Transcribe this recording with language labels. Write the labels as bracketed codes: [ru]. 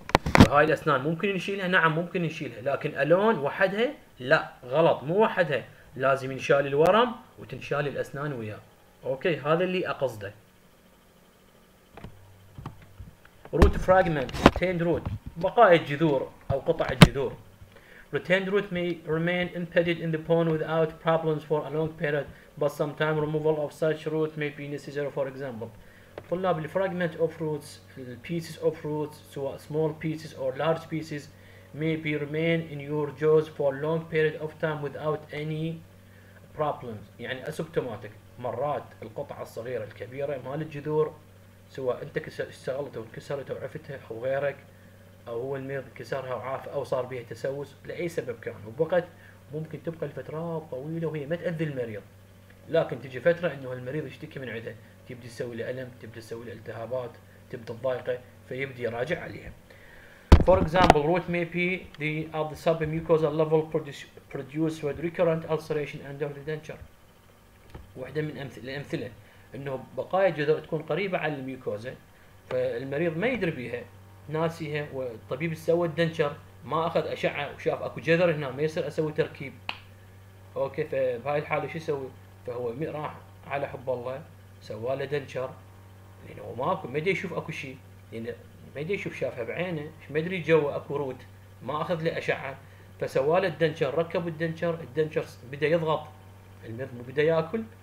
[ar] فهاي الاسنان ممكن نشيلها؟ نعم ممكن نشيلها، لكن الون وحدها لا، غلط مو وحدها، لازم ينشال الورم وتنشال الاسنان وياه. اوكي هذا اللي اقصده. [en] root fragment retained root [ar] بقايا الجذور او قطع الجذور. [en] retained root may remain embedded in the bone without problems for a long period but sometimes removal of such root may be necessary. for example [ar] طلاب ال [en] fragment of roots pieces of roots سواء small pieces or large pieces may be remain in your jaws for a long period of time without any problems. [ar] يعني asymptomatic مرات القطع الصغيرة الكبيرة مال الجذور سواء انت كسرت او انكسرت او عفتها او غيرك او هو المريض كسرها وعاف او صار بها تسوس لاي سبب كان وبقت، ممكن تبقى لفترات طويله وهي ما تاذي المريض، لكن تجي فتره انه المريض يشتكي من عندها، تبدي تسوي له الم، تبدي تسوي له التهابات، تبدي تضايقه فيبدي يراجع عليها. [en] For example, root may be the of the submucosal level produce with recurrent ulceration under the denture. [ar] واحده من الامثله انه بقايا الجذور تكون قريبه على الميوكوزا، فالمريض ما يدري بها، ناسيها، والطبيب سوى الدنشر ما اخذ اشعه وشاف اكو جذر هنا، ما يصير اسوي تركيب. اوكي فبهاي الحاله شو يسوي؟ فهو راح على حب الله سوى له دنشر، لانه ماكو ما يشوف اكو شيء، لانه ما يشوف شافها بعينه، ما يدري جوا اكو روت، ما اخذ له اشعه، فسوى له الدنشر، ركب الدنشر، الدنشر بدا يضغط، المريض مو بدا ياكل.